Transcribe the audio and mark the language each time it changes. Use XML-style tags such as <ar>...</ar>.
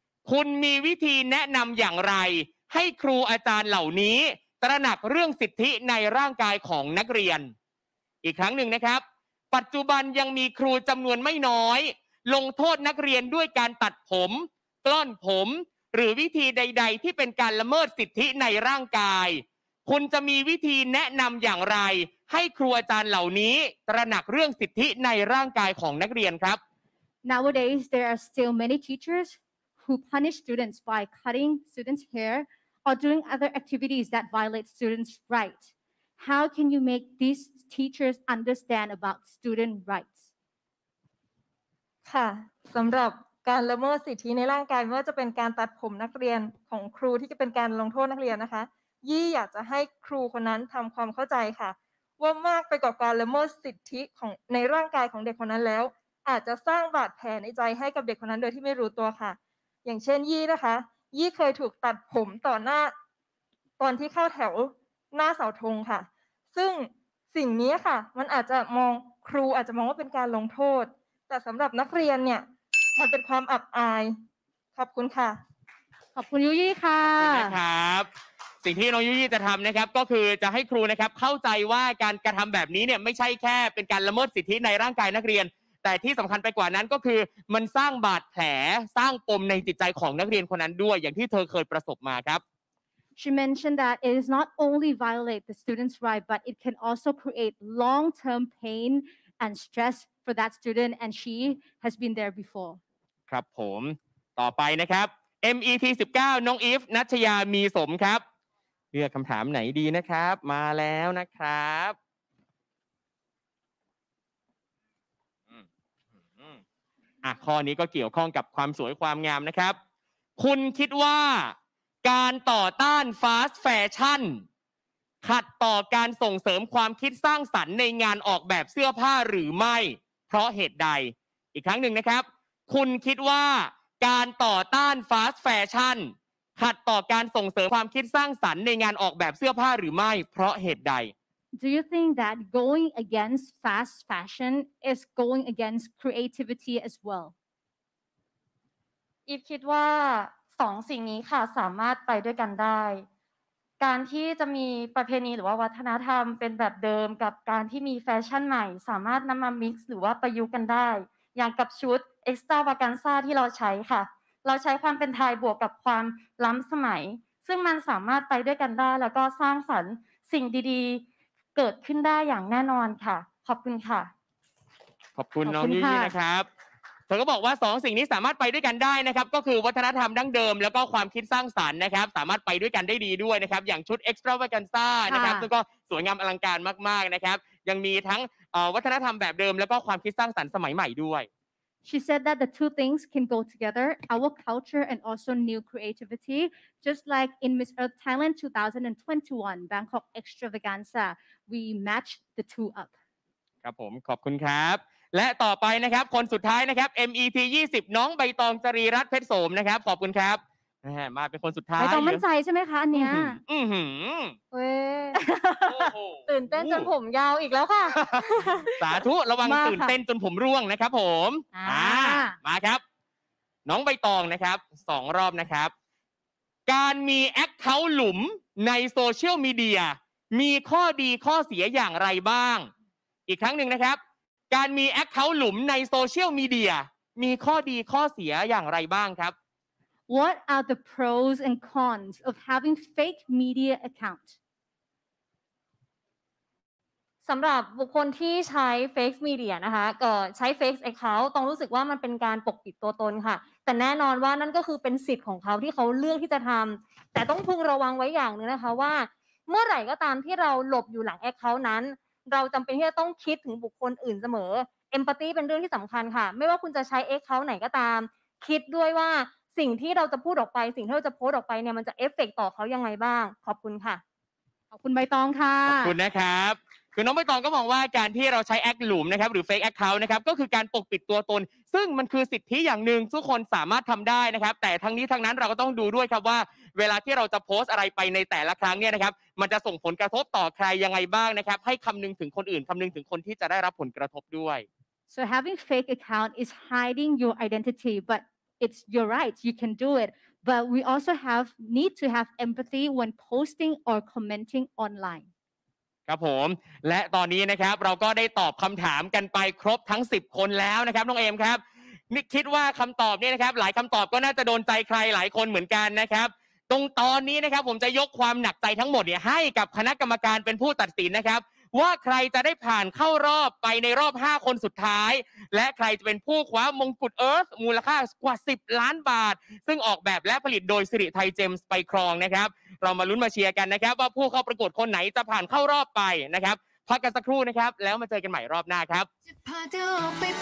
<th>คุณมีวิธีแนะนำอย่างไรให้ครูอาจารย์เหล่านี้ตระหนักเรื่องสิทธิในร่างกายของนักเรียนอีกครั้งหนึ่งนะครับปัจจุบันยังมีครูจำนวนไม่น้อยลงโทษนักเรียนด้วยการตัดผมกล้อนผมหรือวิธีใดๆที่เป็นการละเมิดสิทธิในร่างกายคุณจะมีวิธีแนะนำอย่างไรให้ครูอาจารย์เหล่านี้ตระหนักเรื่องสิทธิในร่างกายของนักเรียนครับ</th> <en>Nowadays there are still many teachers who punish students by cutting students' hairOr doing other activities that violate students' rights. How can you make these teachers understand about student rights?</en> <th>ค่ะสำหรับการละเมิดสิทธิในร่างกายไม่ว่าจะเป็นการตัดผมนักเรียนของครูที่จะเป็นการลงโทษนักเรียนนะคะยี่อยากจะให้ครูคนนั้นทำความเข้าใจค่ะว่ามากไปกว่าการละเมิดสิทธิของในร่างกายของเด็กคนนั้นแล้วอาจจะสร้างบาดแผลในใจให้กับเด็กคนนั้นโดยที่ไม่รู้ตัวค่ะอย่างเช่นยี่นะคะยี่เคยถูกตัดผมต่อหน้า ตอนที่เข้าแถวหน้าเสาธงค่ะซึ่งสิ่งนี้ค่ะมันอาจจะมองครูอาจจะมองว่าเป็นการลงโทษแต่สำหรับนักเรียนเนี่ยมันเป็นความอับอายขอบคุณค่ะ ขอบคุณยูยี่ค่ะ ขอบคุณนะครับสิ่งที่น้องยูยี่จะทำนะครับก็คือจะให้ครูนะครับเข้าใจว่าการกระทำแบบนี้เนี่ยไม่ใช่แค่เป็นการละเมิดสิทธิในร่างกายนักเรียนแต่ที่สำคัญไปกว่านั้นก็คือมันสร้างบาดแผลสร้างปมในจิตใจของนักเรียนคนนั้นด้วยอย่างที่เธอเคยประสบมาครับ</th> <en>She mentioned that it is not only violate the student's right but it can also create long-term pain and stress for that student and she has been there before</en> <th>ครับผมต่อไปนะครับ MET 19น้องอีฟณัชยามีสมครับเลือกคำถามไหนดีนะครับมาแล้วนะครับอ่ะข้อนี้ก็เกี่ยวข้องกับความสวยความงามนะครับคุณคิดว่าการต่อต้านฟาสต์แฟชั่น ขัดต่อการส่งเสริมความคิดสร้างสรรค์ในงานออกแบบเสื้อผ้าหรือไม่เพราะเหตุใดอีกครั้งหนึ่งนะครับคุณคิดว่าการต่อต้านฟาสต์แฟชั่นขัดต่อการส่งเสริมความคิดสร้างสรรค์ในงานออกแบบเสื้อผ้าหรือไม่เพราะเหตุใด</th> <en>Do you think that going against fast fashion is going against creativity as well?</en> <th>If คิดว่า2สิ่งนี้ค่ะสามารถไปด้วยกันได้ การที่จะมีประเพณีหรือว่าวัฒนธรรมเป็นแบบเดิมกับการที่มีแฟชั่นใหม่สามารถนำมามิกซ์หรือว่าประยุกต์กันได้อย่างกับชุดเอ็กซ์ตร้าวาแกนซ่าที่เราใช้ค่ะเราใช้ความเป็นไทยบวกกับความล้ำสมัยซึ่งมันสามารถไปด้วยกันได้แล้วก็สร้างสรรค์สิ่งดีๆเกิดขึ้นได้อย่างแน่นอนค่ะขอบคุณค่ะ ขอบคุณน้องยี่นะครับเธอก็บอกว่า2สิ่งนี้สามารถไปด้วยกันได้นะครับก็คือวัฒนธรรมดั้งเดิมแล้วก็ความคิดสร้างสรรค์นะครับสามารถไปด้วยกันได้ดีด้วยนะครับอย่างชุด Extravaganza นะครับซึ่งก็สวยงามอลังการมากๆนะครับยังมีทั้งวัฒนธรรมแบบเดิมแล้วก็ความคิดสร้างสรรค์สมัยใหม่ด้วย</th> <en>She said that the two things can go together our culture and also new creativity just like in Miss Earth Thailand 2021 Bangkok Extravaganza we match the two up</en> <th>ครับผมขอบคุณครับและต่อไปนะครับคนสุดท้ายนะครับ MET 20น้องใบตองจรีรัตน์เพชรสมนะครับขอบคุณครับมาเป็นคนสุดท้าย ใบตองมั่นใจใช่ไหมคะอันเนี้ย อื้อหือ เว้ยตื่นเต้นจนผมยาวอีกแล้วค่ะ สาธุระวังตื่นเต้นจนผมร่วงนะครับผมมาครับน้องใบตองนะครับ2รอบนะครับการมีแอคเคาท์หลุมในโซเชียลมีเดียมีข้อดีข้อเสียอย่างไรบ้างอีกครั้งนึงนะครับการมีแอคเคาท์หลุมในโซเชียลมีเดียมีข้อดีข้อเสียอย่างไรบ้างครับ</th> <en>What are the pros and cons of having fake media account</en> <th>สำหรับบุคคลที่ใช้</th> <en>fake media</en> <th>นะคะก็ใช้</th> <en>fake account</en> <th>ต้องรู้สึกว่ามันเป็นการปกปิดตัวตนค่ะแต่แน่นอนว่านั่นก็คือเป็นสิทธิ์ของเขาที่เขาเลือกที่จะทำแต่ต้องพึงระวังไว้อย่างนึงนะคะว่าเมื่อไหร่ก็ตามที่เราหลบอยู่หลังแอคเคาท์นั้นเราจำเป็นที่จะต้องคิดถึงบุคคลอื่นเสมอเอมพาธีเป็นเรื่องที่สำคัญค่ะไม่ว่าคุณจะใช้แอคเคาท์ไหนก็ตามคิดด้วยว่าสิ่งที่เราจะพูดออกไปสิ่งที่เราจะโพสต์ออกไปเนี่ยมันจะเอฟเฟกต์ต่อเขายังไงบ้างขอบคุณค่ะ ขอบคุณใบตองค่ะ ขอบคุณนะครับคือน้องใบตองก็มองว่าการที่เราใช้แอคหลุมนะครับหรือเฟกแอคเคาท์นะครับก็คือการปกปิดตัวตนซึ่งมันคือสิทธิอย่างนึงทุกคนสามารถทำได้นะครับแต่ทั้งนี้ทั้งนั้นเราก็ต้องดูด้วยครับว่าเวลาที่เราจะโพสต์อะไรไปในแต่ละครั้งเนี่ยนะครับมันจะส่งผลกระทบต่อใครยังไงบ้างนะครับให้คำนึงถึงคนอื่นคำนึงถึงคนที่จะได้รับผลกระทบด้วย</th> <en>So having fake account is hiding your identity but it's your right you can do it but we also have need to have empathy when posting or commenting online</en> <th>ครับผมและตอนนี้นะครับเราก็ได้ตอบคําถามกันไปครบทั้ง10คนแล้วนะครับน้องเอมครับนี่คิดว่าคําตอบเนี่ยนะครับหลายคําตอบก็น่าจะโดนใจใครหลายคนเหมือนกันนะครับ ตรงตอนนี้นะครับผมจะยกความหนักใจทั้งหมดเนี่ยให้กับคณะกรรมการเป็นผู้ตัดสินนะครับว่าใครจะได้ผ่านเข้ารอบไปในรอบ5คนสุดท้ายและใครจะเป็นผู้คว้ามงกุฎเอิร์ธมูลค่ากว่า10ล้านบาทซึ่งออกแบบและผลิตโดยสิริไทยเจมส์ไปครองนะครับเรามาลุ้นมาเชียร์กันนะครับว่าผู้เข้าประกวดคนไหนจะผ่านเข้ารอบไปนะครับพักกันสักครู่นะครับแล้วมาเจอกันใหม่รอบหน้าครับ</th>